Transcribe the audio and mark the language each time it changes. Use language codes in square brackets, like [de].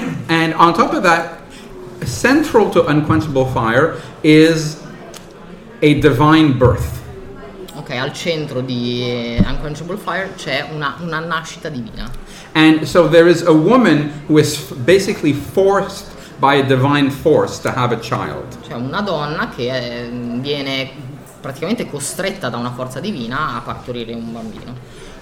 [en] And on top of that, central to Unquenchable Fire is a divine birth. [it] Ok, al centro di Unquenchable Fire c'è una nascita divina. [en] And so there is a woman who is basically forced by a divine force to have a child. [it] Cioè una donna che viene praticamente costretta da una forza divina a partorire un bambino.